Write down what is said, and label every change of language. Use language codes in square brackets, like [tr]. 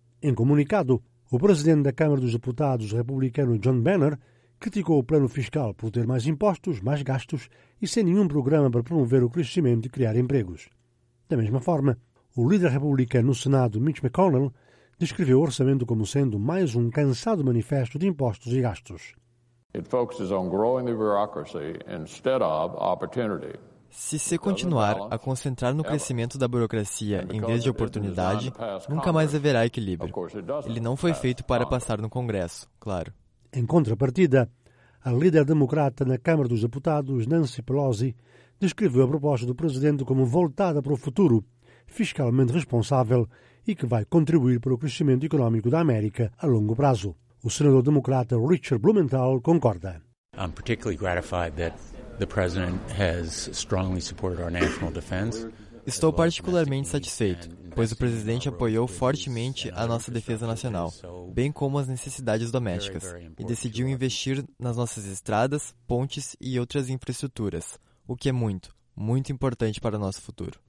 [pt] Em comunicado, o presidente da Câmara dos Deputados republicano John Boehner criticou o plano fiscal por ter mais impostos, mais gastos e sem nenhum programa para promover o crescimento e criar empregos. Da mesma forma, o líder republicano no Senado, Mitch McConnell, descreveu o orçamento como sendo mais um cansado manifesto de impostos e gastos. [en] It focuses on growing the bureaucracy instead of opportunity. [pt] Se se continuar a concentrar no crescimento da burocracia em vez de oportunidade, nunca mais haverá equilíbrio. Ele não foi feito para passar no Congresso, claro. Em contrapartida, a líder democrata na Câmara dos Deputados, Nancy Pelosi, descreveu a proposta do presidente como voltada para o futuro, fiscalmente responsável e que vai contribuir para o crescimento econômico da América a longo prazo. O senador democrata Richard Blumenthal concorda. [en] I'm particularly gratified that the president has strongly supported our national defense. [pt] Estou particularmente satisfeito, pois o presidente apoiou fortemente a nossa defesa nacional, bem como as necessidades domésticas, e decidiu investir nas nossas estradas, pontes e outras infraestruturas, o que é muito, muito importante para o nosso futuro.